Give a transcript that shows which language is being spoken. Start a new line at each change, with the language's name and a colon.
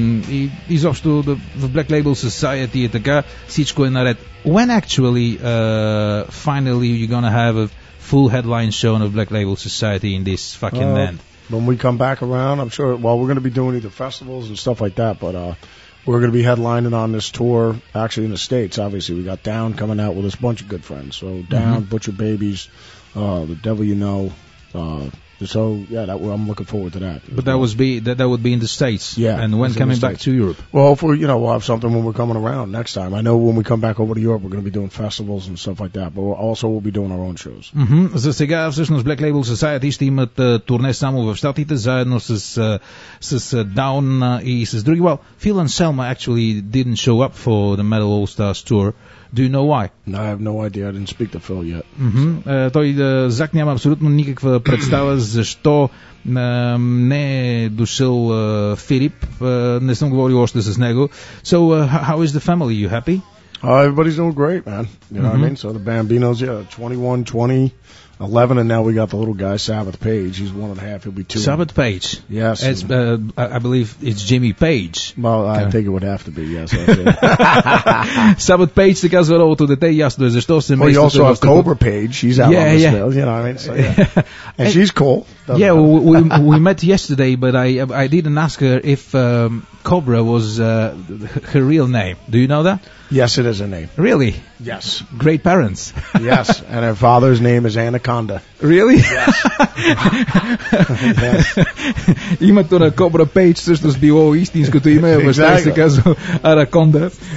Bulgarian: И изобщо в Black Label Society е така. Всичко е наред.
English: When actually, finally, you're going to have a full headline show of Black Label Society in this fucking land? When we come back around, I'm sure, well, we're going to be doing either festivals and stuff like that, but... We're going to be headlining on this tour, actually in the States, obviously. We got Down coming out with us, a bunch of good friends. So Down, Butcher Babies, The Devil You Know. I'm looking forward to that. But that would be in the States? Yeah. And when coming back to Europe? Well, hopefully, you know, we'll have something when we're coming around next time. I know when we come back over to Europe, we're going to be doing festivals and stuff like that. But we'll be doing our own shows. Mm-hmm.
Bulgarian: За сега, всъщност, Black Label Society ще имат турне само в Штатите, заедно с Down и с други.
English: Well, Phil Anselmo actually didn't show up for the Metal All-Stars Tour. Do you know why? No, I have no idea. I didn't speak to Phil yet. Mm-hmm.
Bulgarian: Той, Зак, няма абсолютно никаква представа защо не е дошъл Филип. Не съм говорил още с него.
English: So, how is the family? You happy? Everybody's doing great, man. You know what I mean? So, the Bambinos, 21, 20, 11, and now we got the little guy, Sabbath Page. He's 1.5, he'll be 2. Sabbath Page? Yes. It's, I believe it's Jimmy Page. Well, I think it would have to be, yes. Sabbath Page, the guy's all to the day, yes. Well, you also have Cobra Page. She's out on the field, you know what I mean? So, yeah. And she's cool. Yeah, we met yesterday, but I didn't ask her if Cobra was her real name. Do you know that? Yes, it is a name. Really? Yes. Great parents. Yes, and her father's name is Anaconda. Really? Yes.
Bulgarian: Името на Cobra Page също било истинското име, обаче се казва Anaconda.